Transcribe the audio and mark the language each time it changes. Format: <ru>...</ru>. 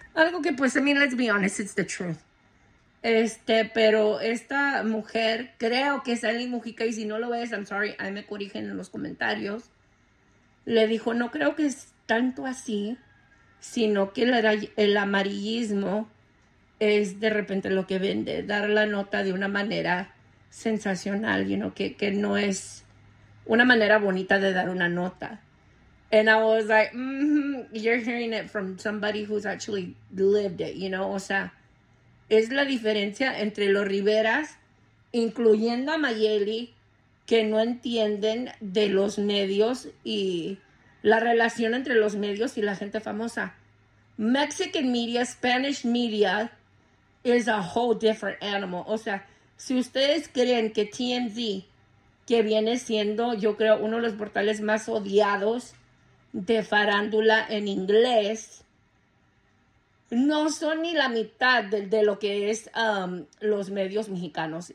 <es>Algo que, pues,</es> <en>I mean, let's be honest, it's the truth.</en> <es>Pero esta mujer, creo que es Aileen Mujica, y si no lo es,</es> <en>I'm sorry,</en> <es>ahí me corrigen en los comentarios. Le dijo, no creo que es tanto así, sino que el amarillismo es de repente lo que vende, dar la nota de una manera sensacional,</es> <en>you know,</en> <es>que no es una manera bonita de dar una nota.</es> <en>And I was like, you're hearing it from somebody who's actually lived it, you know?</en> <es>O sea, es la diferencia entre los Riveras, incluyendo a Mayeli, que no entienden de los medios y la relación entre los medios y la gente famosa.</es> <en>Mexican media, Spanish media is a whole different animal.</en> <es>O sea, si ustedes creen que TMZ, que viene siendo, yo creo, uno de los portales más odiados de farándula en inglés, no son ni la mitad de lo que es los medios mexicanos.</es>